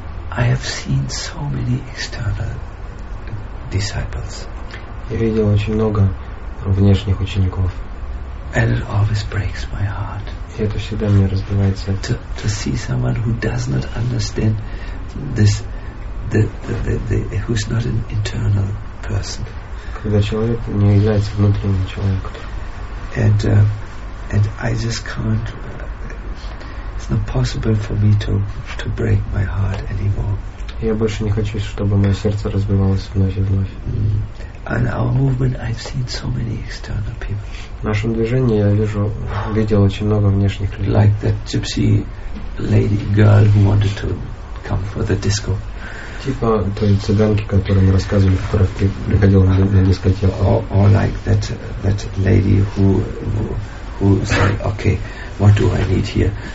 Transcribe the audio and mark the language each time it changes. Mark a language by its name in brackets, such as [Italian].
[English] I have seen so many external disciples. [Russian] Я видел очень много внешних учеников. [English] And it always breaks my heart. [Russian] И это всегда мне разбивает сердце. [English] To see someone who does not understand this. Who's not an internal person. [Russian] Когда человек не является внутренним человеком. [English] And I just can't. It's not possible for me to break my heart anymore. [Russian] Я больше не хочу, чтобы мое сердце разбивалось вновь и вновь. [English] And our movement, I've seen so many external people. [Russian] В нашем движении я видел очень много внешних людей. [English] Like that gypsy lady girl who wanted to come for the disco. [Russian] Типа той цыганки, которую мы рассказывали, которая приходила на дискотеку. [English] Or like that lady who said, okay, what do I need here?